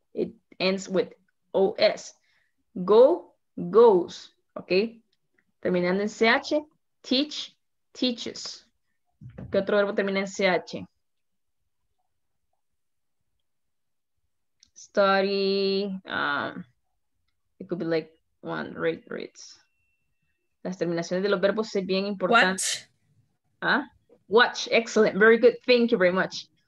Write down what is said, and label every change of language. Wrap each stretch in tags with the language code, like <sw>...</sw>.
<en>It ends with OS. Go, goes, okay?</en> <es>Terminando en CH, teach, teaches. ¿Qué otro verbo termina en CH?</es> <en>Study, it could be like one, read, reads.</en> <es>Las terminaciones de los verbos son bien importantes.</es> <en>Watch. ¿Ah? Watch, excellent, very good, thank you very much.</en>